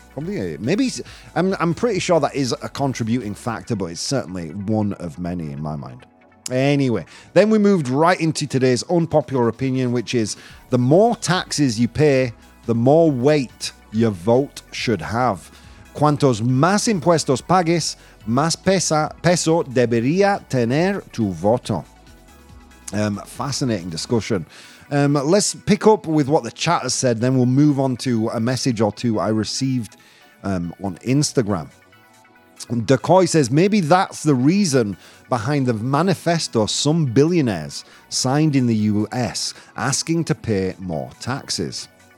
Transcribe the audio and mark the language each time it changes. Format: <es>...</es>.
<en>Probably, maybe, I'm pretty sure that is a contributing factor, but it's certainly one of many in my mind. Anyway, then we moved right into today's unpopular opinion, which is the more taxes you pay, the more weight your vote should have.</en> <es>Cuantos más impuestos pagues, más peso debería tener tu voto.</es> <en>Fascinating discussion. Let's pick up with what the chat has said, then we'll move on to a message or two I received on Instagram. Decoy says, maybe that's the reason behind the manifesto some billionaires signed in the US asking to pay more taxes.</en>